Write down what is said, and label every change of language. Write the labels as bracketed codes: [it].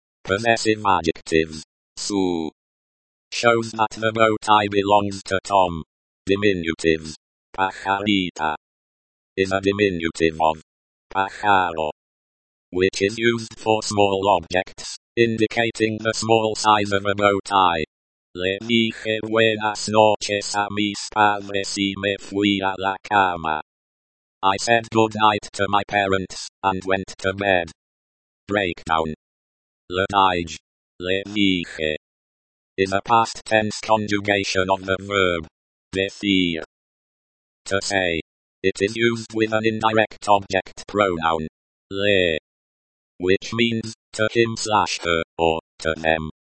[en] Possessive adjectives. Su shows that the bow tie belongs to Tom. Diminutives. Pajarita is a diminutive of pájaro, which is used for small objects, indicating the small size of a bow tie. [es] Le dije buenas noches a mis padres y me fui a la cama. [en] I said good night to my parents and went to bed. Breakdown. [es] Le dije. Le dije [en] is a past tense conjugation of the verb decir to say. It is used with an indirect object pronoun le, which means to him slash her or to them.